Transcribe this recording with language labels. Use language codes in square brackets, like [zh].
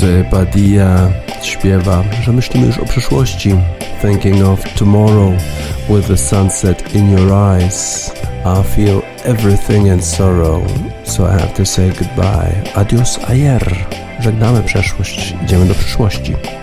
[pl] Padilla, śpiewa, że myślimy już o przyszłości. [en] Thinking of tomorrow with the sunset in your eyes. I feel everything in sorrow, so I have to say goodbye. [es] Adios ayer. [pl] Żegnamy przeszłość, idziemy do przyszłości.